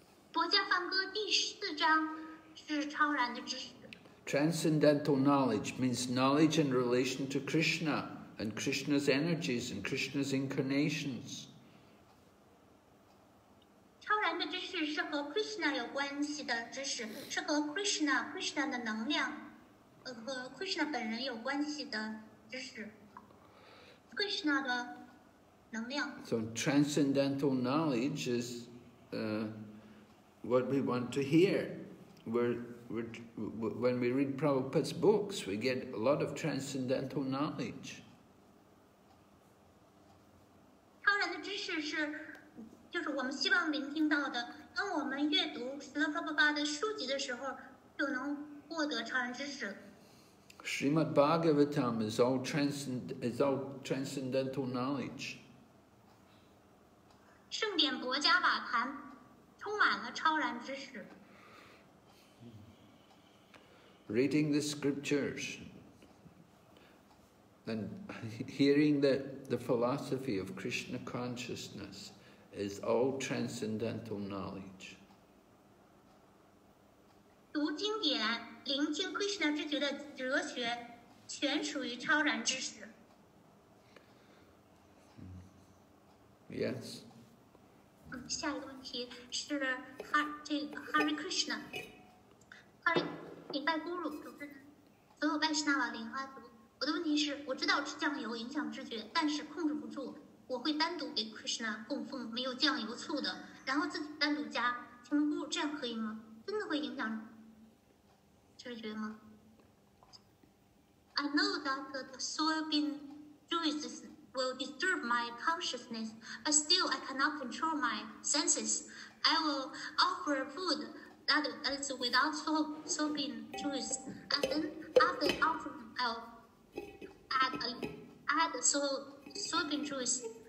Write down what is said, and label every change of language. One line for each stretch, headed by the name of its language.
Chinese: 博伽梵歌第四章是超然的知识。
English: Transcendental knowledge means knowledge in relation to Krishna and Krishna's energies and Krishna's incarnations.
Chinese: 超然的知识是和 Krishna 有关系的知识，是和 Krishna 的能量，和 Krishna 本人有关系的知识。 Krishna 的能量。
English: So transcendental knowledge is, what we want to hear. When we read Prabhupada's books, we get a lot of transcendental knowledge.
Chinese: 超然的知识是。就是我们希望聆听到的，当我们阅读《Srila Prabhupada 的书籍的时候，就能获得超然知识。
English: Srimad Bhagavatam is all transcendental knowledge.
Chinese: 圣典《博伽瓦坛》充满了超然知识。
English: Reading the scriptures and hearing the philosophy of Krishna consciousness. Is all transcendental knowledge.
Chinese: 读经典，聆听 Krishna 之觉的哲学，全属于超然知识。
English: Yes.
Chinese: 下一个问题是Hare Krishna， 哈里，礼拜咕噜，主持人，所有拜师那瓦莲花族，我的问题是，我知道吃酱油影响知觉，但是控制不住。我会单独给 Krishna 供奉没有酱油醋的，然后自己单独加，请问姑这样可以吗？真的会影响知觉吗？
English: I know that the soybean juices will disturb my consciousness, but still I cannot control my senses. I will offer food that is without soybean juice, and then after offering, I'll add soybean juice.